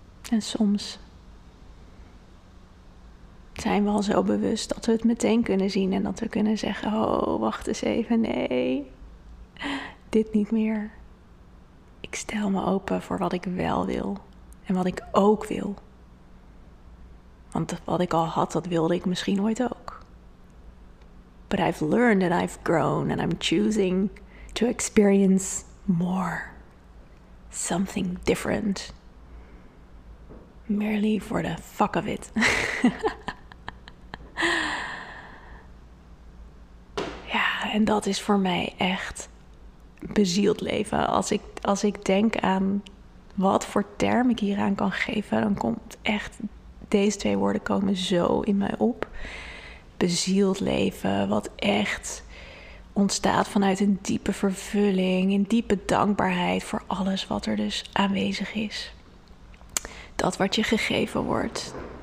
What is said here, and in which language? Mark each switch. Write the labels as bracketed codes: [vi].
[nl] En soms zijn we al zo bewust dat we het meteen kunnen zien en dat we kunnen zeggen, oh, wacht eens even, nee, dit niet meer. Ik stel me open voor wat ik wel wil en wat ik ook wil. Want wat ik al had, dat wilde ik misschien ooit ook. [en] But I've learned and I've grown and I'm choosing to experience more. Something different. Merely for the fuck of it. [nl] Ja, en dat is voor mij echt bezield leven. Als ik denk aan wat voor term ik hieraan kan geven, dan komt echt deze twee woorden komen zo in mij op. Bezield leven, wat echt ontstaat vanuit een diepe vervulling, een diepe dankbaarheid voor alles wat er dus aanwezig is. Dat wat je gegeven wordt,